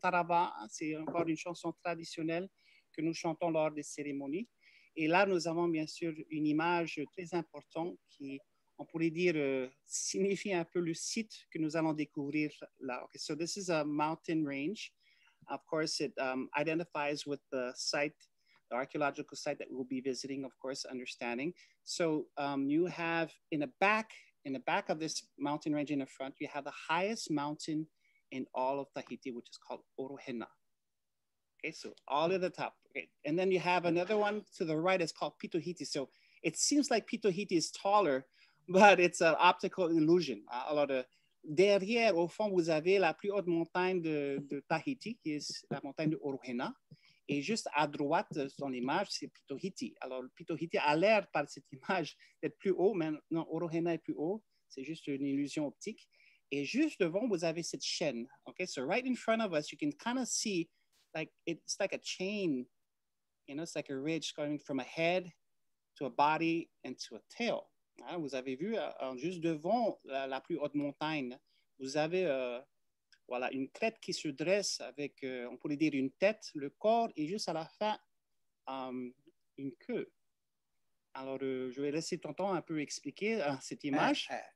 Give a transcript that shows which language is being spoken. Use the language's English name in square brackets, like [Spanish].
[French] Taraba, c'est encore une chanson traditionnelle que nous chantons lors des cérémonies. Et là, nous avons bien sûr une image très importante qui, on pourrait dire, signifie un peu le site que nous allons découvrir là. [English] Okay, so this is a mountain range. Of course, it identifies with the site, the archaeological site that we'll be visiting, of course, understanding. So you have in the back of this mountain range, in the front, you have the highest mountain in all of Tahiti, which is called Orohena. Okay, so all at the top. Okay. And then you have another one to the right, it's called Pitohiti. So it seems like Pitohiti is taller, but it's an optical illusion. [French] Alors, derrière, au fond, vous avez la plus haute montagne de Tahiti, qui est la montagne de Orohena. Et juste à droite, dans l'image, c'est Pitohiti. Alors, Pitohiti a l'air, par cette image, d'être plus haut, mais non, Orohena est plus haut. C'est juste une illusion optique. Et juste devant, vous avez cette chaîne. [English] Okay, so right in front of us, you can kind of see, like, it's like a chain, you know, it's like a ridge going from a head to a body and to a tail. [French] Ah, vous avez vu, juste devant la plus haute montagne, vous avez voilà, une crête qui se dresse avec, on pourrait dire, une tête, le corps, et juste à la fin, une queue. Alors, je vais laisser tonton un peu expliquer cette image.